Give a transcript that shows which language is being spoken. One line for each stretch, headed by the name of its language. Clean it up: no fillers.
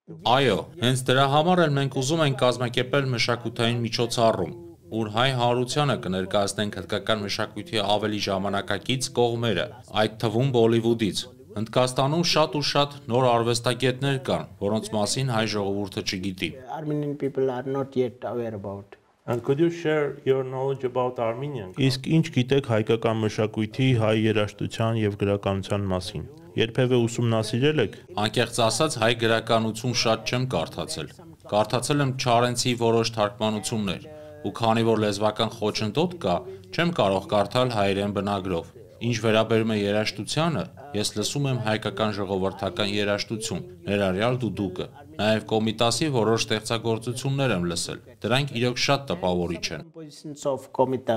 Armenian: Այո, հենց դրա համար էլ մենք ուզում ենք կազմակերպել մշակութային միջոցառում, որ հայ հանրությանը կներկայացնենք հնդկական մշակույթի ավելի ժամանակակից կողմերը, այդ թվում Բոլիվուդից։ Հնդկաստանում շատ ու շատ նոր արվեստագետներ կան, որոնց մասին հայ ժողովուրդը չգիտի։
English: Armenian people are not yet aware about. And could you share your knowledge about Armenian?
Armenian: Իսկ ինչ գիտեք հայկական մշակույթի, հայ երաժշտության եւ գրականության մասին։ Երբևէ ուսումնասիրել եք։ Անկեղծ ասած, հայ գրականություն շատ չեմ կարդացել։ Կարդացել եմ Չարենցի որոշ թարգմանություններ, ու քանի որ լեզվական խոչընդոտ կա, չեմ կարող կարդալ հայերեն բնագրով։ Ինչ վերաբերում է երաժշտությանը, ես լսում եմ հայկական ժողովրդական երաժշտություն, ներառյալ դուդուկը։ Նաև Կոմիտասի որոշ ստեղծագործություններ եմ լսել։ Դրանք իրոք շատ տպավորիչ են։